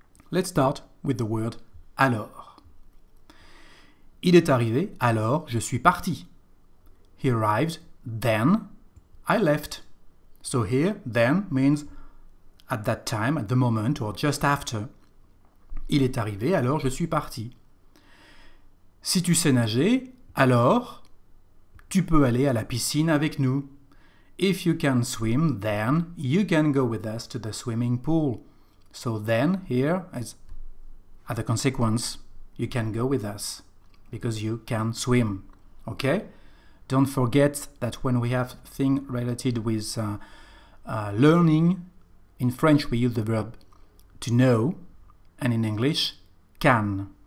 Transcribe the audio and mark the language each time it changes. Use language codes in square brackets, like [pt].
[en] Let's start with the word alors. [fr] Il est arrivé, alors je suis parti. [en] He arrived, then I left. So here, then means at that time, at the moment, or just after. [fr] Il est arrivé, alors je suis parti. Si tu sais nager, alors tu peux aller à la piscine avec nous. [en] If you can swim, then you can go with us to the swimming pool. So then, here, as at the consequence, you can go with us. Because you can swim, okay? Don't forget that when we have thing related with learning, in French we use the verb to know, and in English, can.